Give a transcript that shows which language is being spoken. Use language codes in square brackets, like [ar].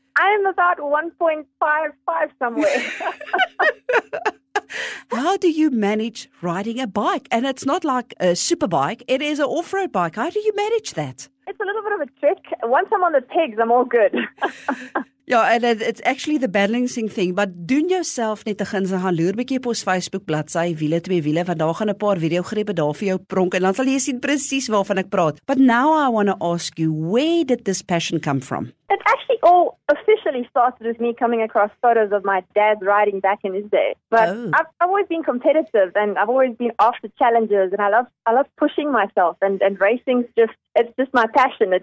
[en] I'm about 1.55 somewhere. How do you manage riding a bike? And it's not like a super bike. It is an off-road bike. How do you manage that? It's a little bit of a trick. Once I'm on the pegs, I'm all good. Yeah, and it's actually the balancing thing. [af] But doen jouself net te gins en gaan loer bietjie op ons Facebook bladsy Wiele twee wiele, want daar gaan 'n paar videogrepe daar vir jou pronk, en dan sal jy sien presies waarvan ek praat. [en] But now I want to ask you, where did this passion come from? It actually all officially started with me coming across photos of my dad riding back in his day. But oh. I've always been competitive, and I've always been after challenges, and I love pushing myself, and racing's just, it's just my passion.